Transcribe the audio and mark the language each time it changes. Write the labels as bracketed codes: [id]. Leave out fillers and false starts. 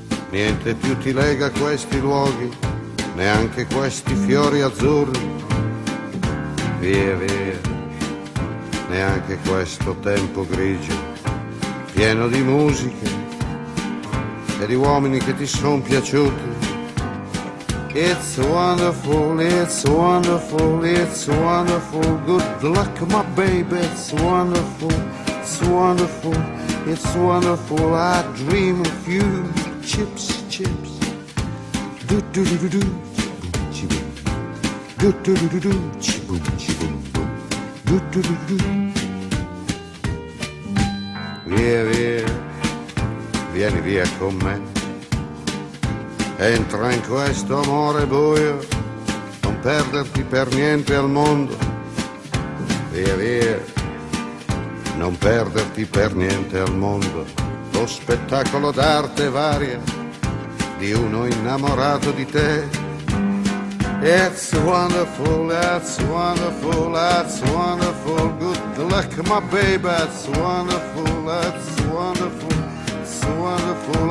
[it] Niente più ti lega a questi luoghi, neanche questi fiori azzurri. Via, via, neanche questo tempo grigio, pieno di musiche e di uomini che ti son piaciuti. [en] It's wonderful, it's wonderful, it's wonderful. Good luck, my baby, it's wonderful, it's wonderful, it's wonderful. I dream of you. Chips, chips, do do do do do, chibum, do do do do do, chibum, chibum, boom, do do do do. [it] Via, via, vieni via con me. Entra in questo amore buio, non perderti per niente al mondo. Via, via, non perderti per niente al mondo. Lo spettacolo d'arte varia di uno innamorato di te. [en] It's wonderful, that's wonderful, that's wonderful. Good luck, my baby, that's wonderful, that's wonderful, it's wonderful.